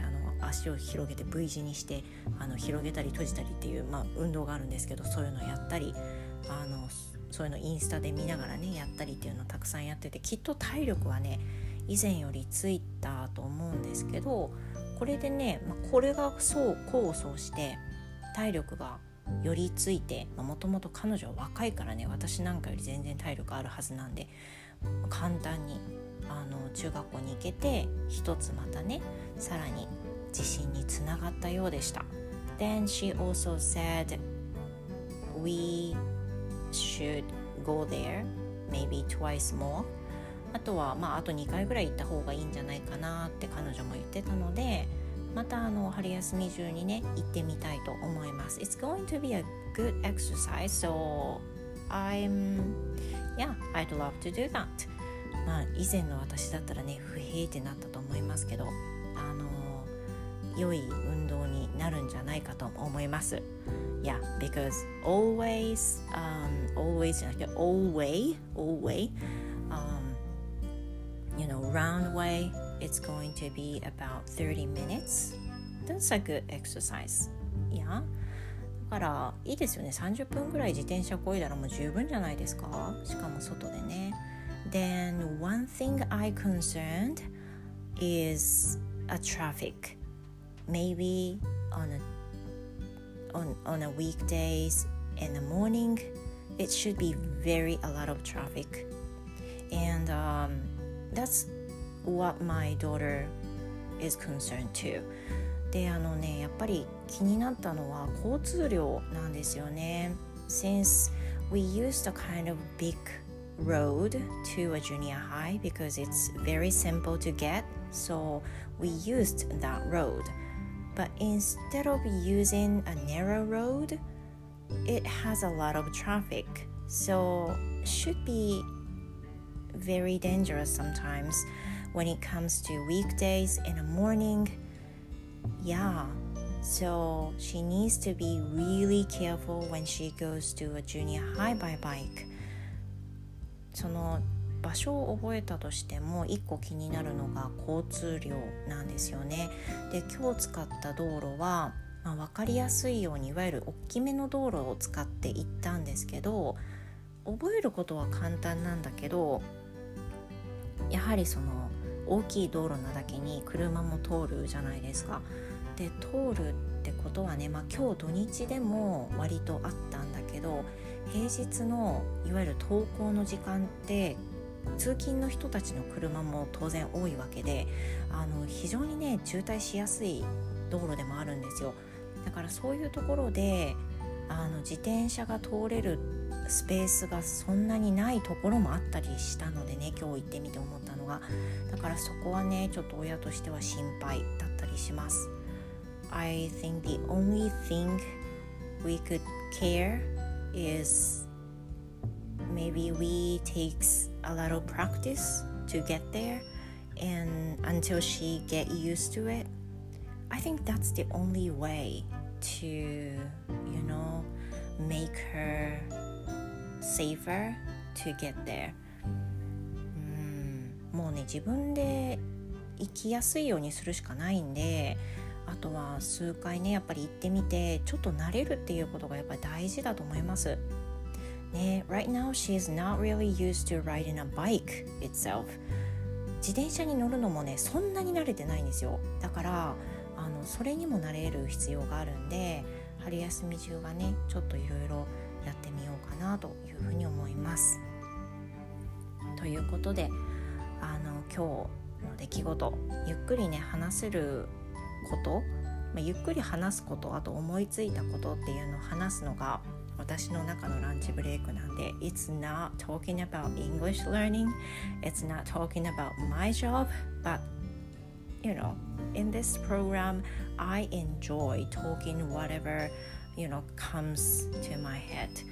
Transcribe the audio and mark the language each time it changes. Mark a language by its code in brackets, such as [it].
[ja] あの足を広げて V 字にして、あの広げたり閉じたりっていう、まあ、運動があるんですけど、そういうのやったり、あのそういうのインスタで見ながらねやったりっていうのをたくさんやってて、きっと体力はね以前よりついたと思うんですけど、これでね、まあ、これがそう功を奏して体力がよりついて、もともと彼女は若いからね、私なんかより全然体力あるはずなんで、簡単にあの中学校に行けて、一つまたねさらに自信につながったようでした。 [en] Then she also said weshould go there maybe twice more. [ja] あとはまああと2回ぐらい行った方がいいんじゃないかなって彼女も言ってたので、またあの春休み中にね行ってみたいと思います。 [en] It's going to be a good exercise, so I'd love to do that. [ja] まあ以前の私だったらね不平ってなったと思いますけど、あの良い運動になるんじゃないかと思います。 [en] Yeah, because always, always, like always, you know, round way, it's going to be about 30 minutes. That's a good exercise. Yeah. [ja] だからいいですよね。 30分ぐらい自転車こいだらもう十分じゃないですか。しかも外でね。 [en] Then one thing I concerned is a traffic. Maybe on a weekdays in the morning, it should be very a lot of traffic. And that's what my daughter is concerned too. [ja] で、あのね、やっぱり気になったのは交通量なんですよね。 [en] Since we used a kind of big road to a junior high because it's very simple to get, so we used that road. But instead of using a narrow road, it has a lot of traffic. So, should be very dangerous sometimes when it comes to weekdays in the morning. Yeah, so she needs to be really careful when she goes to a junior high by bike. [ja] その場所を覚えたとしても一個気になるのが交通量なんですよね。で、今日使った道路は、まあ、分かりやすいようにいわゆる大きめの道路を使って行ったんですけど、覚えることは簡単なんだけど、やはりその大きい道路なだけに車も通るじゃないですか。で、通るってことはね、まあ、今日土日でも割とあったんだけど、平日のいわゆる登校の時間って通勤の人たちの車も当然多いわけで、あの非常にね渋滞しやすい道路でもあるんですよ。だからそういうところで、あの自転車が通れるスペースがそんなにないところもあったりしたのでね、今日行ってみて思ったのが、だからそこはねちょっと親としては心配だったりします。 [en] I think the only thing we could care is maybe we takesa lot of practice to get there, and until she get used to it, I think that's the only way to, you know, make her safer to get there. [ja] もうね、自分で行きやすいようにするしかないんで、あとは数回ね、やっぱり行ってみてちょっと慣れるっていうことがやっぱり大事だと思います。 [en] ね、right now she's not really used to riding a bike itself. [ja] 自転車に乗るのもね、そんなに慣れてないんですよ。だから、それにも慣れる必要があるんで、春休み中はね、ちょっといろいろやってみようかなというふうに思います。ということで、今日の出来事、ゆっくりね、話せること、まあ、ゆっくり話すこと、あと思いついたことっていうのを話すのが私の中のランチブレイクなんで、 [en] It's not talking about English learning, it's not talking about my job, but you know, in this program, I enjoy talking whatever, you know, comes to my head.